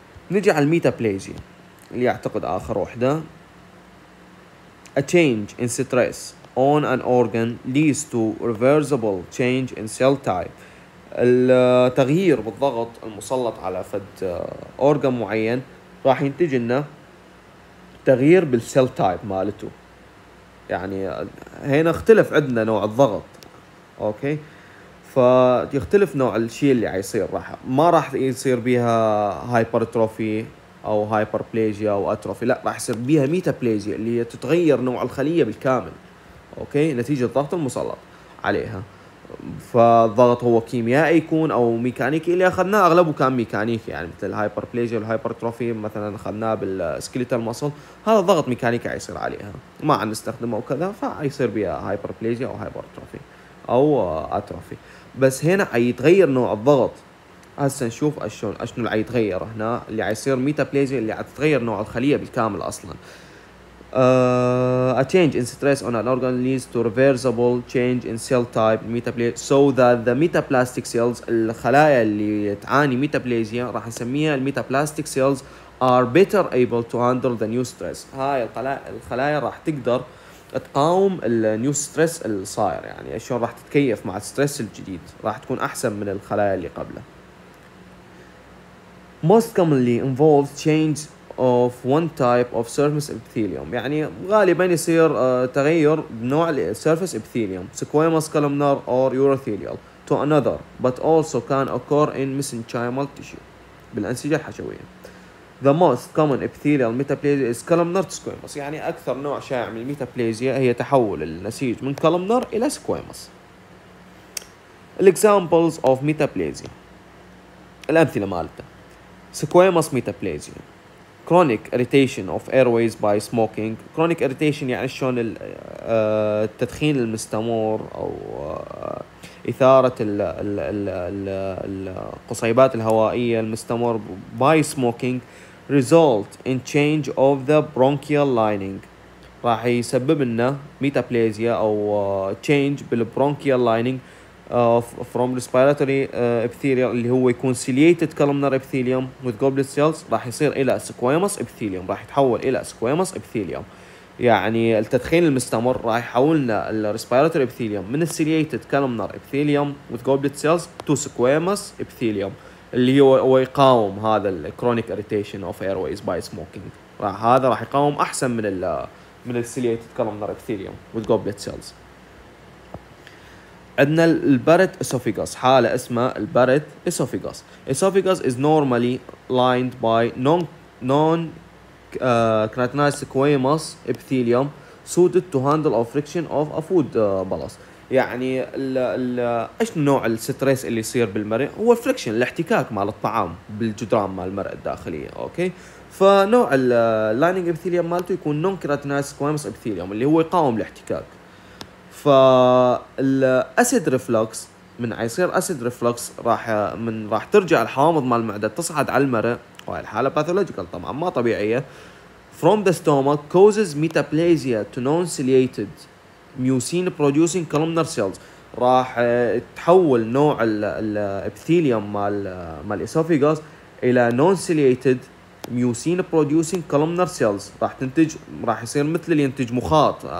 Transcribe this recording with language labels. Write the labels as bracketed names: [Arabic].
[Arabic] نجي على الميتابليزيا اللي اعتقد اخر وحدة. [English] A change in stress on an organ leads to reversible change in cell type. [Arabic] التغيير بالضغط المسلط على فد organ معين راح ينتج لنا تغيير بالسيل تايب مالته، يعني هنا اختلف عندنا نوع الضغط. اوكي، فيختلف نوع الشيء اللي عايصير. راح ما راح يصير بيها هايبرتروفي او هايبربليجيا او اتروفي، لا راح يصير بيها ميتابليجيا اللي هي تتغير نوع الخليه بالكامل، اوكي، نتيجه الضغط المسلط عليها. فالضغط هو كيميائي يكون او ميكانيكي، اللي اخذناه اغلبه كان ميكانيكي، يعني مثل الهايبربليجيا والهايبرتروفي مثلا اخذناه بالسكليتال مسل، هذا ضغط ميكانيكي عايصير عليها ما عم نستخدمه وكذا، فايصير بيها هايبربليجيا او هايبرتروفي او اتروفي. بس هنا يتغير نوع الضغط، هسه نشوف اشنو اللي يتغير هنا، اللي عايصير ميتابليجيا اللي عتتغير نوع الخليه بالكامل اصلا. [English] A change in stress on an organ leads to reversible change in cell type metaplasia, so that the metaplastic cells, [Arabic] الخلايا اللي تعاني ميتابليزيا راح نسميها الميتابلاستيك سيلز، [English] are better able to handle the new stress. [Arabic] هاي الخلايا راح تقدر تقاوم النيو ستريس الصاير، يعني شلون راح تتكيف مع الستريس الجديد، راح تكون احسن من الخلايا اللي قبله. [English] Most commonly involves change of one type of surface epithelium، [Arabic] يعني غالبا يصير تغير بنوع [English] surface epithelium squamous columnar or urothelial to another، but also can occur in mesenchymal tissue، [Arabic] بالأنسجة الحشوية. [English] The most common epithelial metaplasia is columnar to squamous، [Arabic] يعني أكثر نوع شائع من الميتابليزيا هي تحول النسيج من [English] columnar إلى squamous. Examples of metaplasia، [Arabic] الأمثلة مالتها [English] squamous metaplasia، chronic irritation of airways by smoking. [Arabic] chronic irritation يعني شلون التدخين المستمر او اثارة القصيبات الهوائية المستمر [English] by smoking result in change of the bronchial lining، [Arabic] راح يسبب لنا ميتابليزيا او change بالبرونكيال lining [English] from respiratory epithelium [Arabic] اللي هو يكون [English] ciliated columnar epithelium with goblet cells، [Arabic] راح يصير إلى [English] squamous epithelium، [Arabic] راح يتحول إلى [English] squamous epithelium. [Arabic] يعني التدخين المستمر راح يحولنا [English] respiratory epithelium من ciliated columnar epithelium with goblet cells to squamous epithelium اللي هو يقاوم هذا chronic irritation of airways by smoking، [Arabic] راح هذا راح يقاوم أحسن من [English] ciliated columnar epithelium with goblet cells. [Arabic] عندنا البارت اسوفيغاس، حالة اسمها البارت اسوفيغاس. [English] Oesophagus is normally lined by non-keratinized squamous epithelium suited to handle of friction of a food bolus. [Arabic] يعني ايش نوع الستريس اللي يصير بالمرء؟ هو الفريكشن، الاحتكاك مع الطعام بالجدران مع المرء الداخلية، اوكي؟ فنوع اللايننج epithelium مالته يكون [English] non-keratinized squamous epithelium [Arabic] اللي هو يقاوم الاحتكاك. فالأسيد ريفلوكس، من عيصير أسيد ريفلوكس راح ترجع الحامض مع المعدة تصعد على المرأة، وهي الحالة pathological طبعا ما طبيعية، [English] from the stomach causes metaplasia to non-ciliated mucin producing columnar cells، [Arabic] راح تحول نوع الابثيليوم مع الاسوفيغاس إلى [English] non-ciliated mucin producing columnar cells، [Arabic] راح تنتج، راح يصير مثل اللي ينتج مخاط،